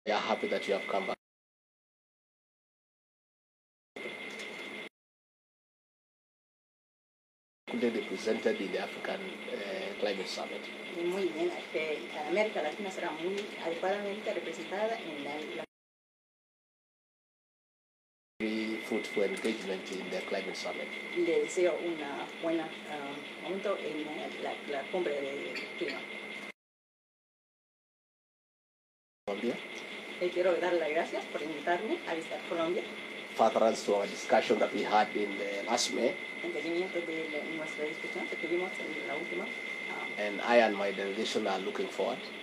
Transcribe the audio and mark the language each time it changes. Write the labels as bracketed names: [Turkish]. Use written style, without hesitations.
[English] They are happy that you have come back. Couldn't they present it in the African Climate Summit? [Spanish] Muy bien, América Latina será muy adecuadamente representada en la [English] fruitful engagement in the climate summit. [Spanish] Le deseo una buena momento en la cumbre de clima. Colombia. Le quiero dar las gracias por invitarme a visitar Colombia. [English] Further on to our discussion that we had in the last May. [Spanish] En seguimiento de nuestra discusión que tuvimos en la última. [English] And I and my delegation are looking forward.